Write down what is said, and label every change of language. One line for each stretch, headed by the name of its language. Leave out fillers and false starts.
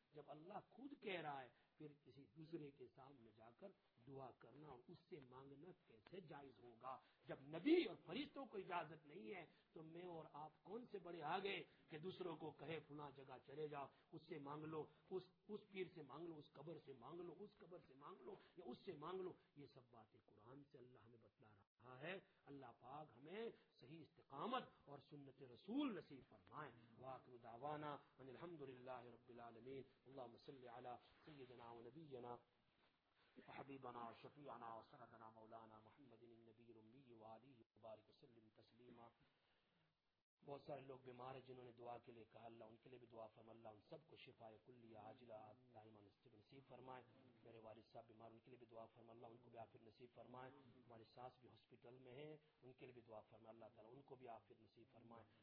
Urdu: جب اللہ خود کہہ رہا ہے پھر کسی دوسرے کے سامنے جا کر دعا کرنا اور اس سے مانگنا کیسے جائز ہوگا؟ جب نبی اور فرشتوں کو اجازت نہیں ہے تو میں اور آپ کون سے بڑے آگے کہ دوسروں کو کہے فلاں جگہ چلے جاؤ، اس سے مانگ لو، اس پیر سے مانگ لو، اس قبر سے مانگ لو، اس قبر سے مانگ لو، یا اس سے مانگ لو. یہ سب باتیں قرآن سے اللہ ہمیں بتلا رہا ہے. اللہ پاک ہمیں صحیح استقامت اور سنت رسول نصیب فرمائے.
Arabic: واقع دعوانا ان الحمد للہ رب العالمین، اللهم صل على سيدنا ونبينا وحبيبنا وشفيعنا وسندنا مولانا محمد النبي الأمي وآله وبارك وسلم تسليما.
Urdu: بہت سارے لوگ بیمار ہیں جنہوں نے دعا کے لیے کہا، اللہ ان کے لیے بھی دعا فرما، اللہ ان سب کو شفا کلیہ عاجلہ دائمہ نصیب فرمائے. میرے والد صاحب بیمار، ان کے لیے بھی دعا فرما، اللہ ان کو بھی عافیت نصیب فرمائے. ہماری ساس بھی ہاسپٹل میں ہیں، ان کے لیے بھی دعا فرما، اللہ تعالیٰ ان کو بھی عافیت نصیب فرمائے.